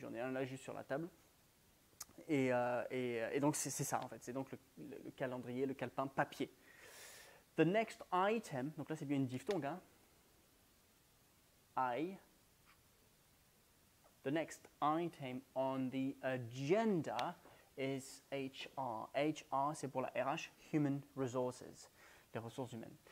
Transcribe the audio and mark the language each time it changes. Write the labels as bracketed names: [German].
[French] J'en ai un là juste sur la table. Et donc, c'est ça en fait, c'est donc le calendrier, le calepin papier. [English] The next item, [French] donc là c'est bien une diphtongue, hein. [English] The next item on the agenda is HR. [French] HR, c'est pour la RH, [English] Human Resources, [French] les ressources humaines.